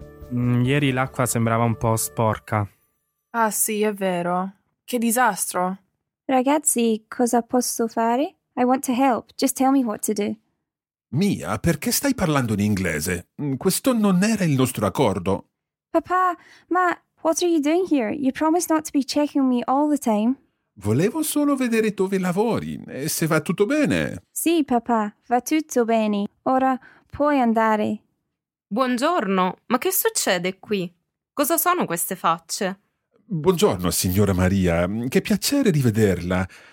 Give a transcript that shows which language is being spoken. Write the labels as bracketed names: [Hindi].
[Italian] Ieri l'acqua sembrava un po' sporca. Ah sì, è vero. Che disastro! Ragazzi, cosa posso fare? [English] I want to help. Just tell me what to do. [Italian] Mia, perché stai parlando in inglese? Questo non era il nostro accordo. Papà, ma [English] what are you doing here? You promised not to be checking me all the time. [Italian] Volevo solo vedere dove lavori e se va tutto bene. Sì, papà, va tutto bene. Ora puoi andare. Buongiorno, ma che succede qui? Cosa sono queste facce? Buongiorno, signora Maria. Che piacere rivederla.